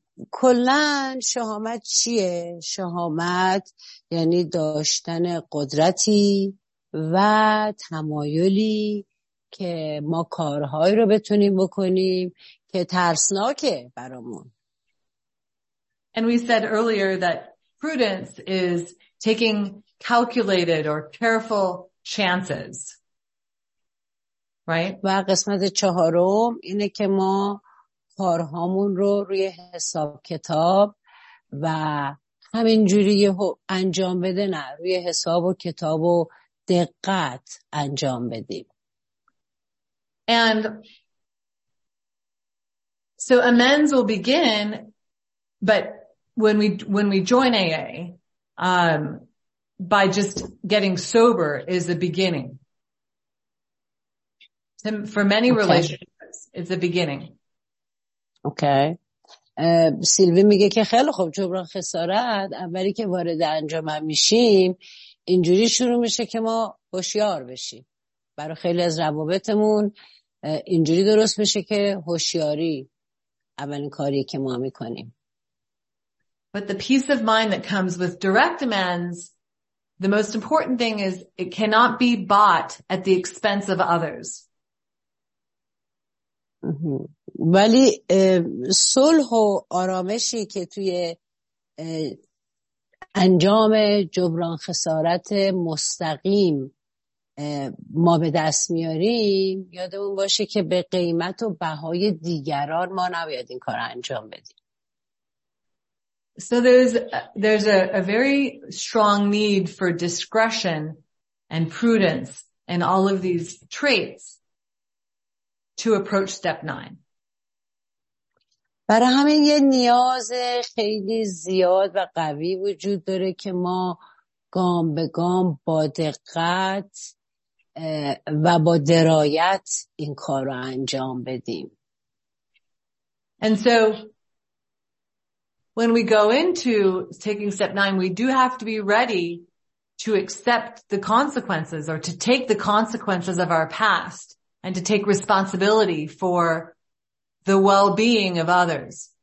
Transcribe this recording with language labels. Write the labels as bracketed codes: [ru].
[fa] کلن شهامت چیه؟ شهامت یعنی داشتن قدرتی و تمایلی که ما کارهایی رو بتونیم بکنیم که ترسناکه برامون. [en] And we said earlier that prudence is taking calculated or careful chances. Right? [fa] و قسمت چهارم اینه که ما کارهامون رو روی حساب کتاب و همین جوری انجام بده نه روی حساب و کتاب و دقت انجام بدیم. [en] And so amends will begin, but when we join AA, by just getting sober is a beginning. For many okay. relationships, it's a beginning. Okay. [fa] سیلوی میگه که خیلی خوب جبران خسارت اولی که وارد انجام میشیم اینجوری شروع میشه که ما هوشیار بشیم برای خیلی از روابطمون اینجوری درست میشه که هوشیاری اولین کاری که ما میکنیم. [en] But the peace of mind that comes with direct amends, the most important thing is it cannot be bought at the expense of others. [fa] ولی صلح و آرامشی که توی انجام جبران خسارت مستقیم ما به دست میاریم یادمون باشه که به قیمت و بهای دیگران ما نباید این کار انجام بدیم. [en] So there's a very strong need for discretion and prudence and all of these traits to approach step 9. [fa] برای همین یه نیاز خیلی زیاد و قوی وجود داره که ما گام به گام با دقت و با درایت این کار رو انجام بدیم. [en] And so when we go into taking step 9, we do have to be ready to accept the consequences or to take the consequences of our past and to take responsibility for the well-being of others.